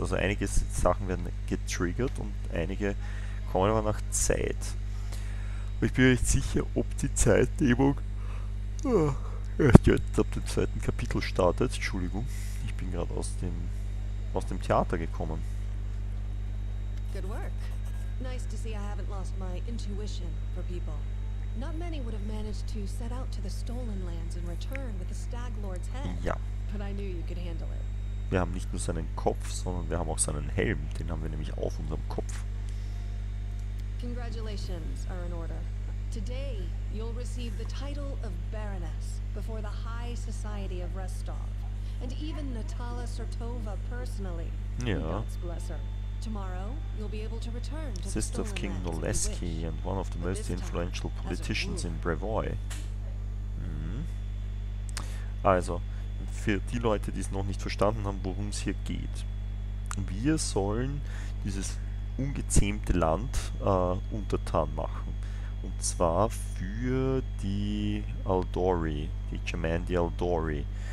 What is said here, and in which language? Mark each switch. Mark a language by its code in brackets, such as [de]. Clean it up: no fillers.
[de] Also einige Sachen werden getriggert und einige kommen aber nach Zeit. Und ich bin mir nicht sicher, ob die Zeitdämmung erst ab dem zweiten Kapitel startet. Entschuldigung, ich bin gerade aus dem Theater gekommen. [en] Good work. Nice to see I haven't lost my intuition for people. Not many would have managed to set out to the stolen lands and return with the Stag Lord's head. [de] Ja. [en] But I knew you could handle it. [de] Wir haben nicht nur seinen Kopf, sondern wir haben auch seinen Helm. Den haben wir nämlich auf unserem Kopf. [en] Congratulations are in order. Today you'll receive the title of Baroness before the High Society of Restov, and even Natala Sertova personally. [de] Ja. [en] God bless her. Tomorrow, you'll be able to return to Sister of King Noleski and one of the most influential politicians in Brevoy. Mhm. [de] Also, für die Leute, die es noch nicht verstanden haben, worum es hier geht. Wir sollen dieses ungezähmte Land untertan machen. Und zwar für die Aldori, die Jamandi Aldori.